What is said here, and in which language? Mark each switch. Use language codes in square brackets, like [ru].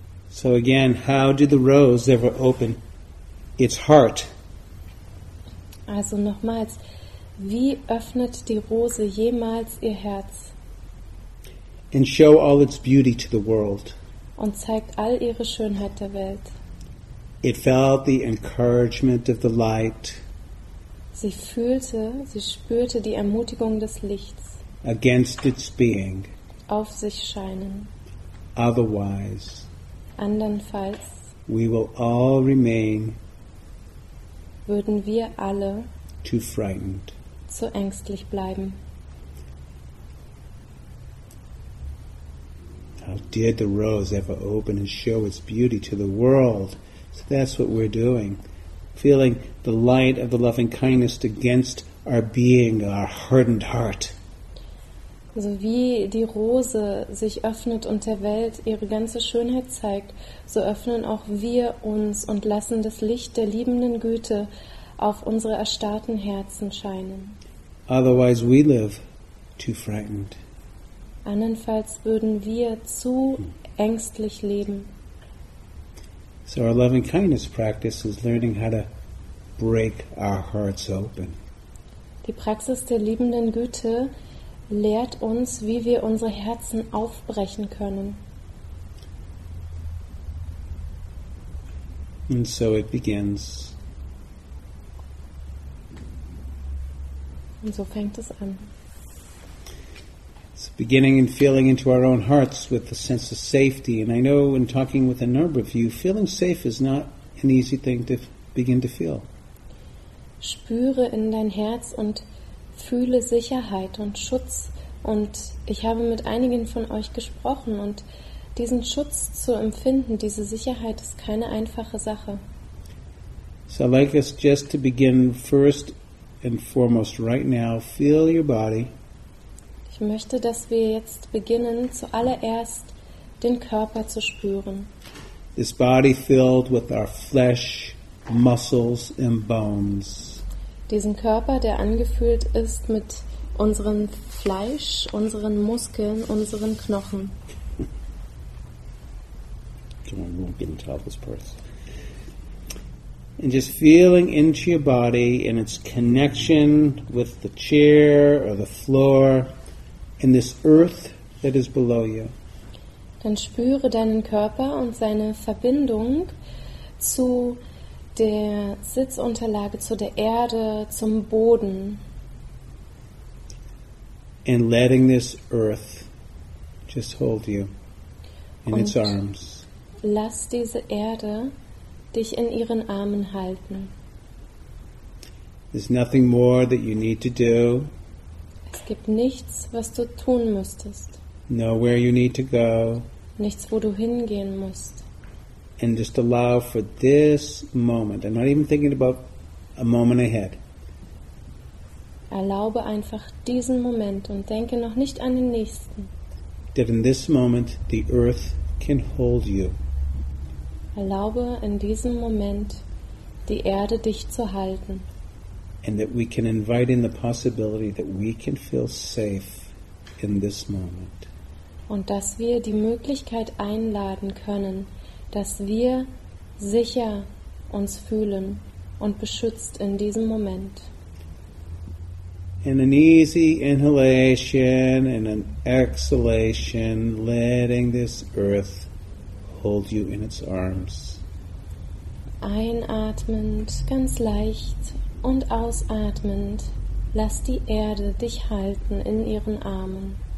[en] So again, how did the rose ever open its heart? [de] Also nochmals, wie öffnet die Rose jemals ihr Herz? [en] And show all its beauty to the world. [de] Und zeigt all ihre Schönheit der Welt. [en] It felt the encouragement of the light. [de] Sie fühlte, sie spürte die Ermutigung des Lichts. [en] Against its being. [de] Auf sich scheinen. [en] Otherwise. [de] Andernfalls. [en] We will all remain. [de] Würden wir alle. [en] Too frightened. [de] Zu ängstlich bleiben. [en] How dared the rose ever open and show its beauty to the world? So that's what we're doing. Feeling the light of the loving kindness against our being, our hardened heart. [de] So wie die Rose sich öffnet und der Welt ihre ganze Schönheit zeigt, so öffnen auch wir uns und lassen das Licht der liebenden Güte auf unsere erstarrten Herzen scheinen. [en] Otherwise we live too frightened. [de] Andernfalls würden wir zu ängstlich leben. [en] So our loving kindness practice is learning how to break our hearts open. [de] Die Praxis der liebenden Güte lehrt uns, wie wir unsere Herzen aufbrechen können. [en] And so it begins. [de] Und so fängt es an. [en] Beginning and feeling into our own hearts with a sense of safety. And I know in talking with a number of you, feeling safe is not an easy thing to begin to feel. [de] Spüre in dein Herz und fühle Sicherheit und Schutz. Und ich habe mit einigen von euch gesprochen. Und diesen Schutz zu empfinden, diese Sicherheit, ist keine einfache Sache. [en] So I'd like us just to begin first and foremost right now. Feel your body. [de] Ich möchte, dass wir jetzt beginnen, zuallererst den Körper zu spüren. [en] This body filled with our flesh, muscles and bones. [de] Diesen Körper, der angefüllt ist mit unserem Fleisch, unseren Muskeln, unseren Knochen. [en] Come on, we won't get into all those parts. And just feeling into your body and its connection with the chair or the floor. In this earth that is below you. [de] Dann spüre deinen Körper und seine Verbindung zu der Sitzunterlage, zu der Erde, zum Boden. [en] And letting this earth just hold you in [de] und [en] its arms. [de] Lass diese Erde dich in ihren Armen halten. [en] There's nothing more that you need to do. [de] Es gibt nichts, was du tun müsstest. [en] Know where you need to go. [de] Nichts, wo du hingehen musst. [en] And just allow for this moment. I'm not even thinking about a moment ahead. [de] Erlaube einfach diesen Moment und denke noch nicht an den nächsten. [en] That in this moment the earth can hold you. [de] Erlaube in diesem Moment die Erde dich zu halten. [en] And that we can invite in the possibility that we can feel safe in this moment. [de] Und dass wir die Möglichkeit einladen können, dass wir sicher uns fühlen und beschützt in diesem Moment. [en] In an easy inhalation and an exhalation, letting this earth hold you in its arms. [de] Einatmend, ganz leicht. Und ausatmend, lass die Erde dich halten in ihren Armen.